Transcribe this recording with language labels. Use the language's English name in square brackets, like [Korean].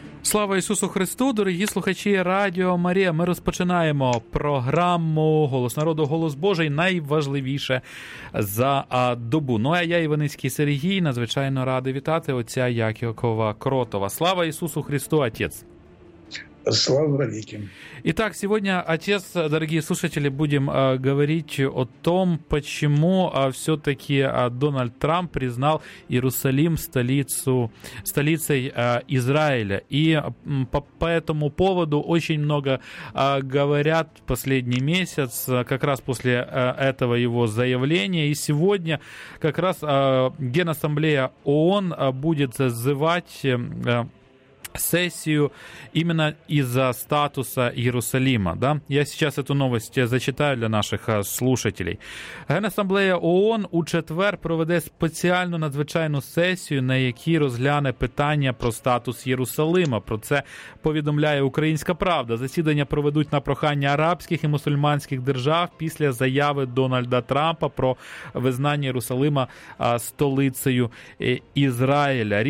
[Ukrainian] Слава Ісусу Христу, дорогі слухачі Радіо Марія. Ми розпочинаємо програму «Голос народу, голос Божий», найважливіше за добу. Ну, а я, Іваницький Сергій, надзвичайно радий вітати отця Якова Кротова. Слава Ісусу Христу, отець! Слава великим! [Russian] Итак, сегодня, отец, дорогие слушатели, будем говорить о том, почему все-таки Дональд Трамп признал Иерусалим столицей Израиля. И по этому поводу очень много говорят последний месяц, как раз после этого его заявления. И сегодня как раз Генассамблея ООН будет созывать сессию именно из-за статуса Иерусалима. Да? Я сейчас эту новость зачитаю для наших слушателей. [Ukrainian] Генассамблея ООН у четвер проведе спеціальну надзвичайну сесію, на якій розгляне питання про статус Єрусалима. Про це повідомляє «Українська правда». Засідання проведуть на прохання арабських і мусульманських держав після заяви Дональда Трампа про визнання Єрусалима столицею Ізраїля.